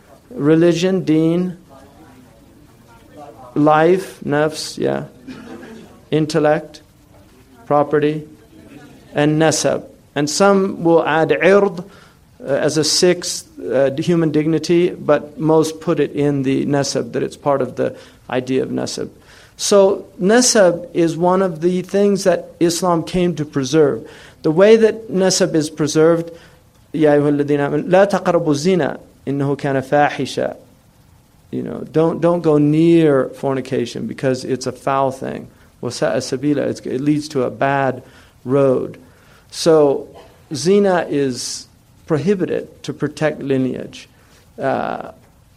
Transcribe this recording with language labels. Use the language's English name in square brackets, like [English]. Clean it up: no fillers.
[English] Religion, deen, life, nafs, yeah, intellect, property, and nasab. And some will add ird as a sixth human dignity, but most put it in the nasab, that it's part of the idea of nasab. So nasab is one of the things that Islam came to preserve. The way that nasab is preserved, [Arabic] يَا أَيُّهَا الَّذِينَ آمَنُوا لَا تَقْرَبُوا الزِّنَا إِنَّهُ كَانَ فَاحِشًا. [English] You know, don't go near fornication because it's a foul thing. [Arabic] وَسَأَ سَبِيلًا. [English] It leads to a bad road. So zina is prohibited to protect lineage. The